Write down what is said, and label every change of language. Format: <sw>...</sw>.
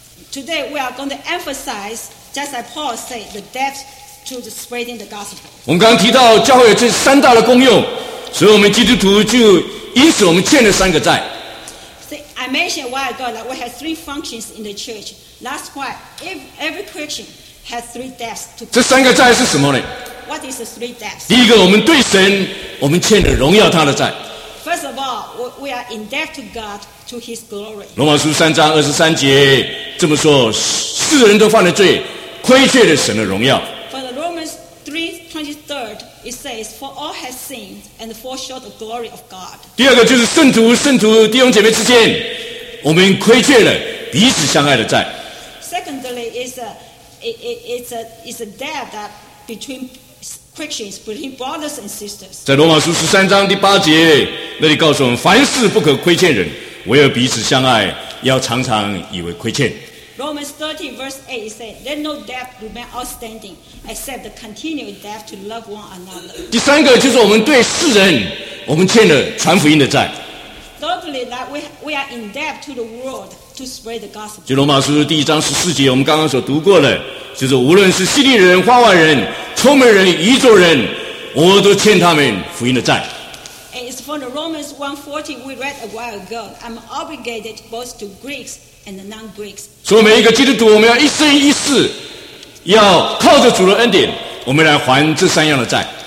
<en>Today we are going to emphasize, just like Paul said, the debt to the spreading the gospel.</en> <zh>我们刚刚提到教会有这三大的功用，所以我们基督徒就因此我们欠了三个债。</zh> <en>See, I mentioned a while ago that we have three functions in the church. That's why every Christian has three debts to pay.</en> <zh>这三个债是什么呢？</zh> <en>What is the three debts?</en> <zh>第一个，我们对神，我们欠了荣耀他的债。</zh> <en>First of all, we are in debt to God, to His glory.</en> <zh>罗马书三章二十三节这么说：世人都犯了罪，亏缺了神的荣耀。</zh> <en>For the Romans 3:23, it says, "For all have sinned and fall short of the glory of God."</en> <zh>第二个就是圣徒弟兄姐妹之间，我们亏缺了彼此相爱的债。</zh> <en>Secondly, it's a debt that between Christians, between brothers and sisters.</en> <zh>在罗马书十三章第八节。那里告诉我们，凡事不可亏欠人，唯有彼此相爱，要常常以为亏欠。</zh> <en>Romans 30 verse 8 says, "Let no debt remain outstanding, except the continued debt to love one another."</en> <zh>第三个就是我们对世人，我们欠了传福音的债。</zh> <en>Thirdly, that we are in debt to the world to spread the gospel.</en> <zh>就罗马书第一章十四节，我们刚刚所读过的，就是无论是希利人、花外人、聪明人、愚拙人，我都欠他们福音的债。</zh> <en>From the Romans 1:14, we read a while ago, "I'm obligated both to Greeks and the non-Greeks."</en> <zh>所以每一个基督徒，我们要一生一世，要靠着主的恩典，我们来还这三样的债。</zh>